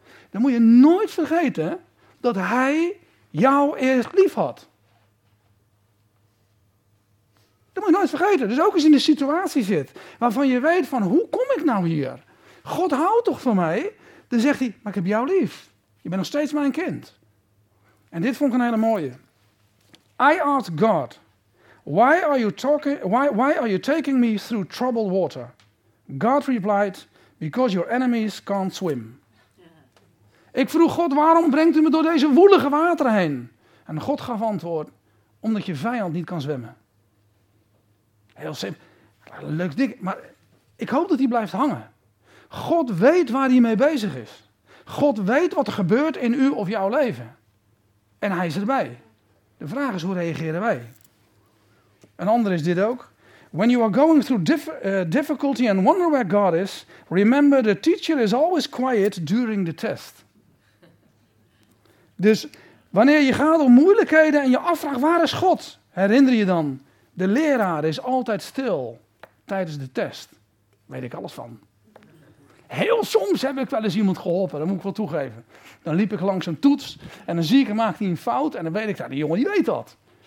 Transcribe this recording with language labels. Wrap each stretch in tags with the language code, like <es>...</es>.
<nl>Dan moet je nooit vergeten dat hij jou eerst lief had. Dat moet je nooit vergeten. Dus ook als je in een situatie zit waarvan je weet van hoe kom ik nou hier? God houdt toch van mij? Dan zegt hij, maar ik heb jou lief. Je bent nog steeds mijn kind. En dit vond ik een hele mooie.</nl> <en>I asked God, why are you taking me through troubled water? God replied, because your enemies can't swim.</en> <nl>Ik vroeg God, waarom brengt u me door deze woelige water heen? En God gaf antwoord, omdat je vijand niet kan zwemmen. Heel simpel, leuk ding, maar ik hoop dat hij blijft hangen. God weet waar hij mee bezig is. God weet wat er gebeurt in u of jouw leven. En hij is erbij. De vraag is, hoe reageren wij? Een ander is dit ook.</nl> <en>When you are going through difficulty and wonder where God is, remember the teacher is always quiet during the test.</en> <nl>Dus wanneer je gaat om moeilijkheden en je afvraagt waar is God, herinner je dan, de leraar is altijd stil tijdens de test. Weet ik alles van. Heel soms heb ik wel eens iemand geholpen, dat moet ik wel toegeven. Dan liep ik langs een toets en dan zie ik, maakt hij een fout en dan weet ik, nou, die jongen die weet dat.</nl>